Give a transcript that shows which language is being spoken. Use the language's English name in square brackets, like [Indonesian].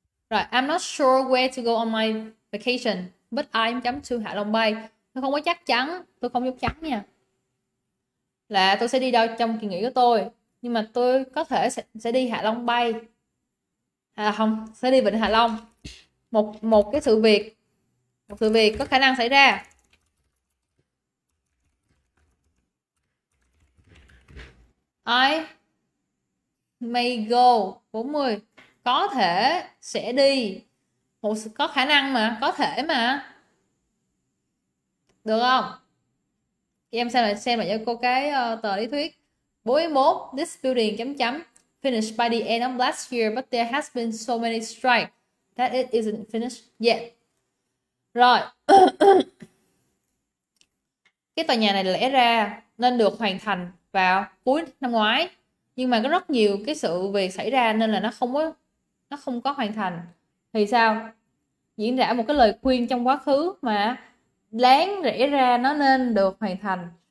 [Vietnamese] Rồi, [English] I'm not sure where to go on my vacation. But I'm [Vietnamese] chấm [English] to Hạ Long Bay. [Vietnamese] Tôi không có chắc chắn, tôi không chắc chắn nha. Là tôi sẽ đi đâu trong kỳ nghỉ của tôi. Nhưng mà tôi có thể sẽ đi Hạ Long Bay. À không, sẽ đi Vịnh Hạ Long. Một cái sự việc. Một sự việc có khả năng xảy ra. [English] I may go 40. [Vietnamese] Có thể sẽ đi. Một có khả năng mà, có thể mà. Được không? Em xem lại cho cô cái tờ lý thuyết. [English] 41 this building [Vietnamese] chấm chấm [English] finished by the end of last year but there has been so many strike that it isn't finished yet. [Vietnamese] Rồi. Cái tòa nhà này lẽ ra nên được hoàn thành vào cuối năm ngoái, nhưng mà có rất nhiều cái sự việc xảy ra nên là nó không có hoàn thành. Thì sao? Diễn ra một cái lời khuyên trong quá khứ mà đáng lẽ ra nó nên được hoàn thành.